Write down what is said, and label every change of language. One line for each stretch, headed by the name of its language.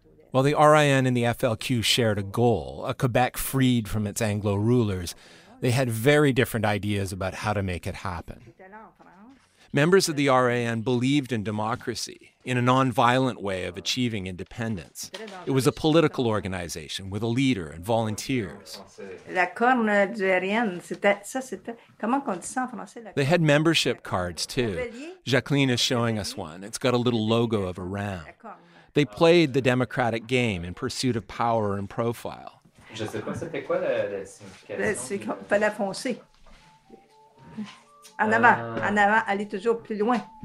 English: While the RIN and the FLQ shared a goal, a Quebec freed from its Anglo rulers, they had very different ideas about how to make it happen. Members of the RAN believed in democracy, in a non-violent way of achieving independence. It was a political organization with a leader and volunteers.
French: La corne du RAN, c'était comment qu'on dit ça en français?
English: They had membership cards too. Jacqueline is showing us one. It's got a little logo of a ram. They played the democratic game in pursuit of power and profile.
French: Je sais pas c'était quoi la signification. C'est qu'il fallait foncer. En avant, aller toujours plus loin.